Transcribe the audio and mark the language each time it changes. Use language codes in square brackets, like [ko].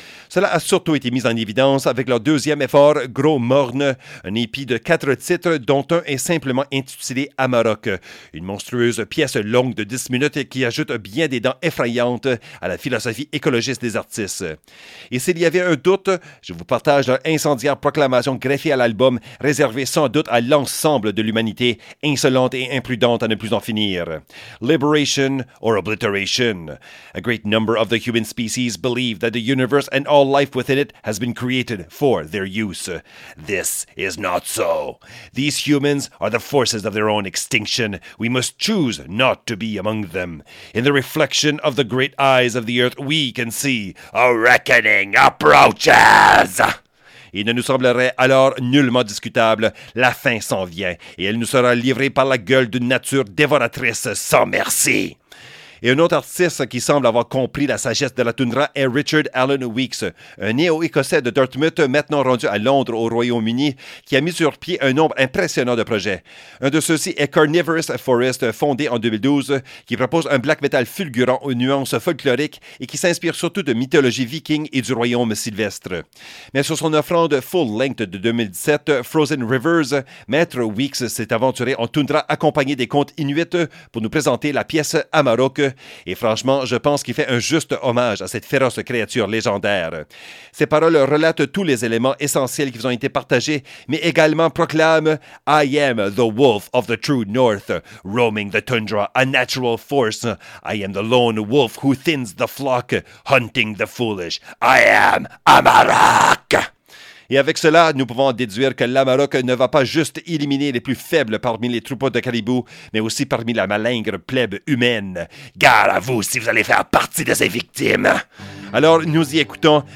[fr] Cela a surtout été mis en évidence avec leur deuxième effort, Gros Morne, un EP de 4 titres dont un est simplement intitulé Amarok, une monstrueuse pièce longue de 10 minutes qui ajoute bien des dents effrayantes à la philosophie écologiste des artistes. Et s'il y avait un doute, je vous partage leur incendiaire proclamation greffée à l'album, réservée sans doute à l'ensemble de l'humanité, insolente et imprudente à ne plus en finir. [en] Liberation or obliteration. A great number of the human species believe that the universe and all life within it has been created for their use. This is not so. These humans are the forces of their own extinction. We must choose not to be among them. In the reflection of the great eyes of the earth, we can see a reckoning approaches. [fr] Il ne nous semblerait alors nullement discutable, la fin s'en vient, et elle nous sera livrée par la gueule d'une nature dévoratrice sans merci. Et un autre artiste qui semble avoir compris la sagesse de la toundra est Richard Allen Weeks, un néo-écossais de Dartmouth maintenant rendu à Londres au Royaume-Uni, qui a mis sur pied un nombre impressionnant de projets. Un de ceux-ci est Carnivorous Forest, fondé en 2012, qui propose un black metal fulgurant aux nuances folkloriques et qui s'inspire surtout de mythologie viking et du royaume sylvestre. Mais sur son offrande full-length de 2017, Frozen Rivers, Maître Weeks s'est aventuré en toundra accompagné des contes inuits pour nous présenter la pièce Amarok. Et franchement, je pense qu'il fait un juste hommage à cette féroce créature légendaire. Ses paroles relatent tous les éléments essentiels qui vous ont été partagés, mais également proclament « [en] I am the wolf of the true north, roaming the tundra, a natural force. I am the lone wolf who thins the flock, hunting the foolish. I am Amarok! [fr] » Et avec cela, nous pouvons déduire que l'Amarok ne va pas juste éliminer les plus faibles parmi les troupeaux de caribous, mais aussi parmi la malingre plèbe humaine. Gare à vous si vous allez faire partie de ces victimes! Alors, nous y écoutons.